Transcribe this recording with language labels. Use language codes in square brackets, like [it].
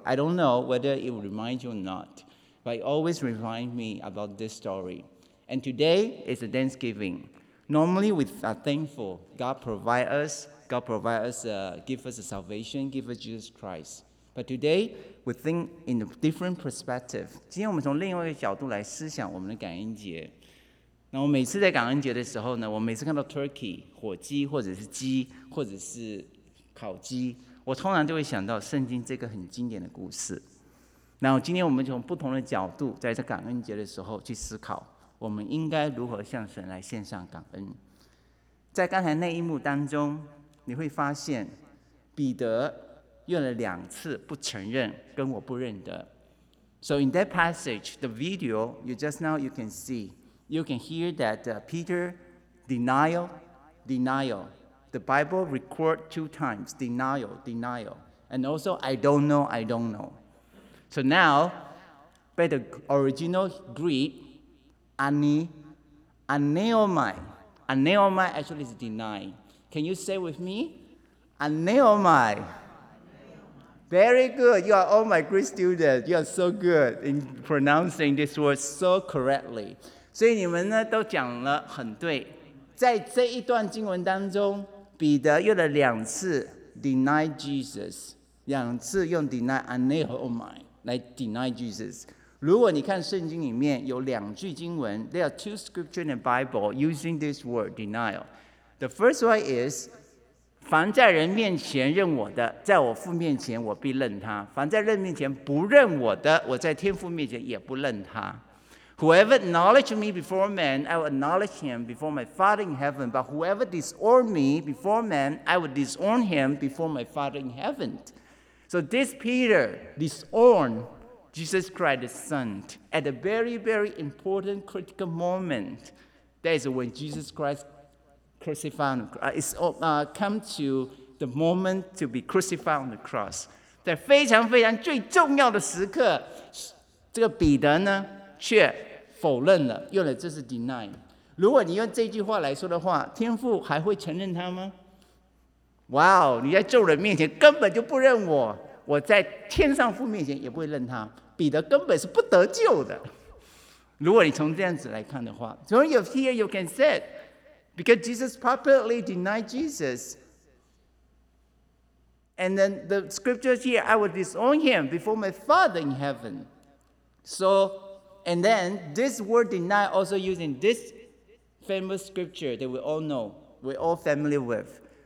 [en] I don't know whether it will remind you or not, but it always reminds me about this story. And today is Thanksgiving. Normally we are thankful. God provide us, give us a salvation, give us Jesus Christ. But today, we think in a different perspective. [zh] 今天我们从另外一个角度来思想我们的感恩节。那我每次在感恩节的时候呢，我每次看到 turkey, 火鸡或者是鸡或者是烤鸡，我通常就会想到圣经这个很经典的故事。那今天我们从不同的角度在这感恩节的时候去思考，我们应该如何向神来献上感恩。在刚才那一幕当中，你会发现彼得用了两次不承认跟我不认得。 [en] So in that passage, the video you just now you can see, you can hear that Peter denial. The Bible records two times, denial. And also, I don't know. So now, by the original Greek, aneomai actually is deny. Can you say with me? Aneomai. Very good. You are all my Greek students. You are so good in pronouncing this word so correctly. [zh] 所以你们呢都讲了很对。在这一段经文当中，彼得用了两次 [en] deny Jesus， [zh] 两次用 [en] deny aneomai [zh] 来 deny Jesus。如果你看圣经里面有两句经文 [en] ，there are two scriptures in the Bible using this word denial。 The first one is， [zh] 凡在人面前认我的，在我父面前我必认他；凡在人面前不认我的，我在天父面前也不认他。 [en] Whoever acknowledged me before man, I will acknowledge him before my Father in heaven. But whoever disowned me before man, I will disown him before my Father in heaven. So this Peter disowned Jesus Christ, the Son, at a very, very important critical moment. That is when Jesus Christ come to the moment to be crucified on the cross. [zh] 在非常非常最重要的时刻，这个彼得呢，却否认了，用了这是 deny。如果你用这句话来说的话，天父还会承认他吗？哇哦，你在众人面前根本就不认我，我在天上父面前也不会认他，彼得根本是不得救的。如果你从这样子来看的话， [en] So you're here, you can say it, because Jesus publicly denied Jesus. And then the scripture here, I will disown him before my Father in heaven. SoAnd then, this word deny also using this famous scripture that we all know, we're all familiar with.